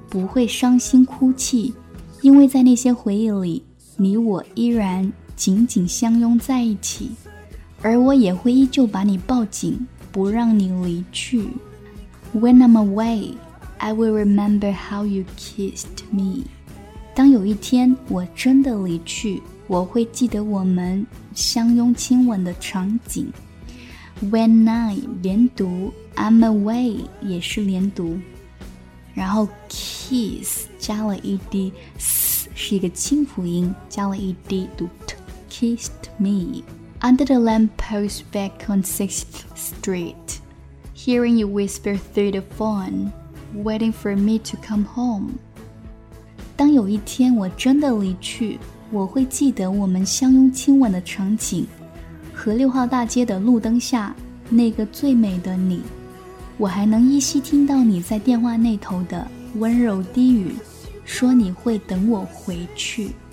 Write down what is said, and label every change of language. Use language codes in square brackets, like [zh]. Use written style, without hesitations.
[zh] 不会伤心哭泣，因为在那些回忆里，你我依然紧紧相拥在一起，而我也会依旧把你抱紧，不让你离去。 [en] When I'm away, I will remember how you kissed me. [zh] 当有一天我真的离去，我会记得我们相拥亲吻的场景。 [en] When I [zh] 连读， [en] I'm away [zh] 也是连读，然后 kiss 加了一滴 s 是一个轻辅音，加了一滴读 t [en] kissed me。 Under the lamppost back on 6th Street, hearing you whisper through the phone, waiting for me to come home. [zh] 当有一天我真的离去，我会记得我们相拥亲吻的场景，和六号大街的路灯下那个最美的你。我还能依稀听到你在电话那头的温柔低语，说你会等我回去。